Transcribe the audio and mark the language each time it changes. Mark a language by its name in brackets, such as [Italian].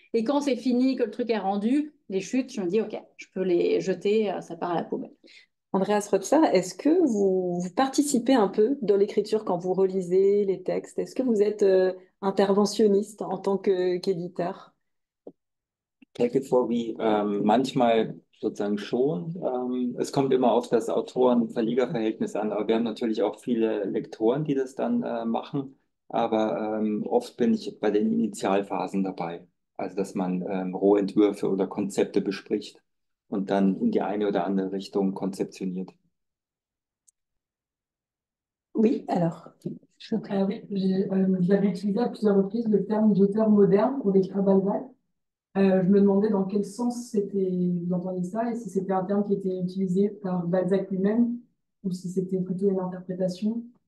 [French] Et quand c'est fini, que le truc est rendu, les chutes, je me dis, OK, je peux les jeter, ça part à la poubelle. Andreas Rotzer, est-ce que vous participez un peu dans l'écriture quand vous relisez les textes? Est-ce que vous êtes interventionniste en tant qu'éditeur? Quelque fois, [German] wie manchmal sozusagen schon. Es kommt immer auf das Autoren-Verleger-Verhältnis an, aber wir haben natürlich auch viele Lektoren, die das dann machen. Aber oft bin ich bei den Initialphasen dabei, also dass man Rohentwürfe oder Konzepte bespricht und dann in die eine oder andere Richtung konzeptioniert. [French] Oui, alors. Je l'avais utilisé à plusieurs reprises le terme d'auteur moderne pour décrire Balzac. Je me demandais dans quel sens c'était, vous entendez ça, et si c'était un terme qui était utilisé par Balzac lui-même, ou si c'était plutôt une interprétation.